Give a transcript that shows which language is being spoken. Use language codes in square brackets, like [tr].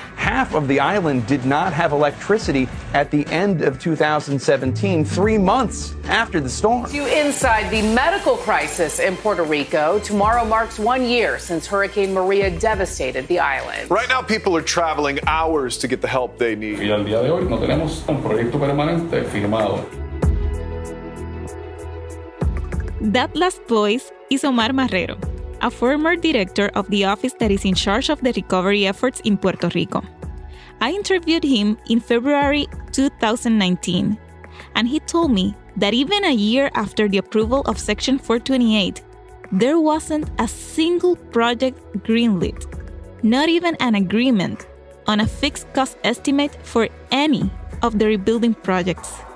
[en] Half of the island did not have electricity at the end of 2017, 3 months after the storm. To inside the medical crisis in Puerto Rico, tomorrow marks 1 year since Hurricane Maria devastated the island. Right now, people are traveling hours to get the help they need. [es] Y al día de hoy, no tenemos un proyecto permanente firmado. [en] That last voice is Omar Marrero, a former director of the office that is in charge of the recovery efforts in Puerto Rico. I interviewed him in February 2019, and he told me that even a year after the approval of Section 428, there wasn't a single project greenlit, not even an agreement on a fixed cost estimate for any of the rebuilding projects.